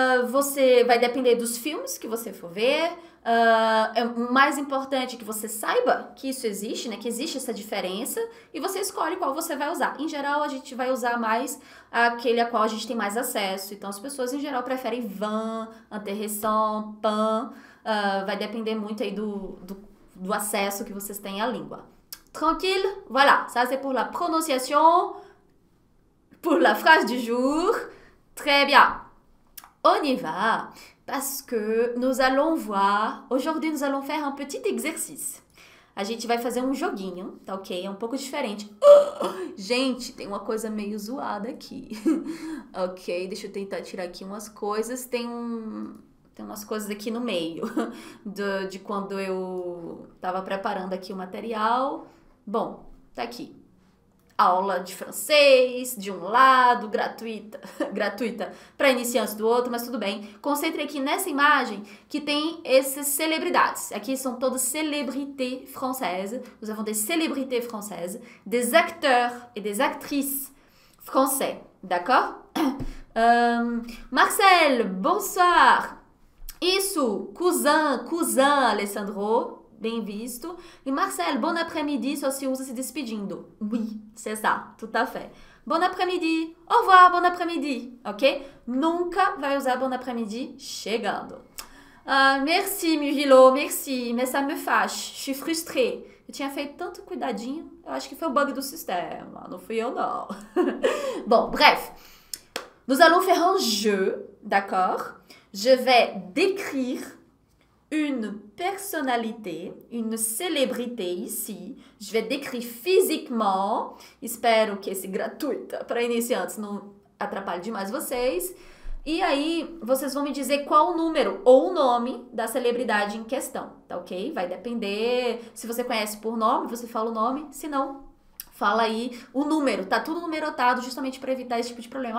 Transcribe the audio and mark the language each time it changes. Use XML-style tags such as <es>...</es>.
<pt>Você vai depender dos filmes que você for ver. É mais importante que você saiba que isso existe, né? Que existe essa diferença. E você escolhe qual você vai usar. Em geral, a gente vai usar mais aquele a qual a gente tem mais acesso. Então, as pessoas, em geral, preferem van, intéressant, pan. Vai depender muito aí do acesso que vocês têm à língua.</pt> <fr>Tranquille? Voilà. Ça, c'est pour la prononciation. Pour la phrase du jour. Très bien. On y va, parce que nous allons voir, aujourd'hui nous allons faire un petit exercice.</fr> <pt>A gente vai fazer um joguinho, tá ok? É um pouco diferente. Gente, tem uma coisa meio zoada aqui. Ok, deixa eu tentar tirar aqui umas coisas. Tem umas coisas aqui no meio, de quando eu tava preparando aqui o material. Bom, tá aqui. Aula de francês, de um lado, gratuita para iniciantes do outro, mas tudo bem. Concentre aqui nessa imagem que tem essas celebridades. Aqui são todas</pt> <fr>célébrités françaises. Nous avons des célébrités françaises, des acteurs et des actrices français. D'accord? Marcel, bonsoir.</fr> <pt>Isso, cousin Alessandro. Bem visto. E Marcel,</pt> <fr>bon après-midi,</fr> <pt>só se usa se despedindo.</pt> <fr>Oui, c'est ça, tout à fait. Bon après-midi, au revoir, bon après-midi, ok?</fr> <pt>Nunca vai usar</pt> <fr>bon après-midi</fr> <pt>chegando.</pt> <fr>Merci, Mirilo, merci, mais ça me fâche, je suis frustrée.</fr> <pt>Eu tinha feito tanto cuidadinho, eu acho que foi o bug do sistema, não fui eu não.</pt> <fr>Bom, bref, nous allons faire un jeu, d'accord? Je vais décrire une personnalité, une célébrité ici. Je vais décrire physiquement.</fr> <pt>Espero que esse gratuita para iniciantes não atrapalhe demais vocês. E aí, vocês vão me dizer qual o número ou o nome da celebridade em questão, tá ok? Vai depender. Se você conhece por nome, você fala o nome. Se não, fala aí o número. Tá tudo numerotado justamente para evitar esse tipo de problema.</pt>